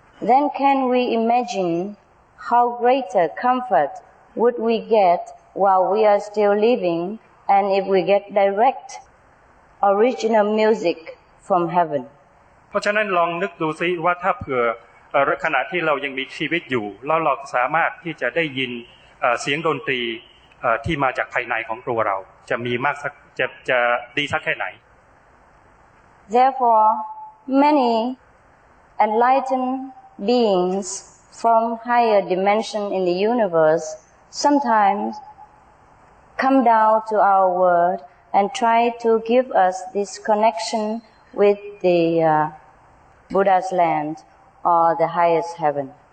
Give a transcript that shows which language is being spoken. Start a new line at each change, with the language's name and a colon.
English: Then can we imagine how greater comfort would we get while we are still living and if we get direct original music from heaven
Thai: เพราะฉะนั้นลองนึกดูซิว่าถ้าเผื่อขณะที่เรายังมีชีวิตอยู่แล้วเราสามารถที่จะได้ยินเสียงดนตรีที่มาจากภายในของตัวเราจะมีมากสักจะดีสักแค่ไหน
English: Therefore many enlightened beings from higher dimension in the universe sometimes come down to our world and try to give us this connection with the Buddha's land or the highest heaven.